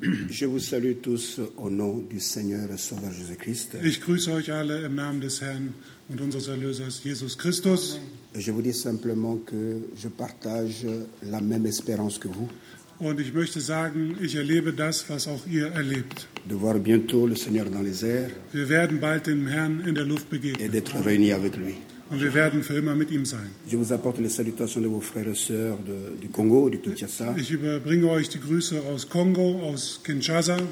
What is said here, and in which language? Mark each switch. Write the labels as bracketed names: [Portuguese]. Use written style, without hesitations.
[French] Je vous salue tous au nom du Seigneur et Sauveur Jésus Christ. [German] Ich grüße euch alle im Namen des Herrn und unseres Erlösers Jesus Christus. Amen. [French] Je vous dis simplement que je partage la même espérance que vous. [German] Und ich möchte sagen, ich erlebe das, was auch ihr erlebt. [French] De voir bientôt le Seigneur dans les airs. [German] Wir werden bald dem Herrn in der Luft begegnen. [French] Et d'être réunis avec lui. [German] Und wir werden für immer mit ihm sein. [French] Je vous apporte les salutations de vos frères et sœurs du Congo, du Kinshasa. [German] Ich überbringe euch die Grüße aus Kongo, aus Kinshasa.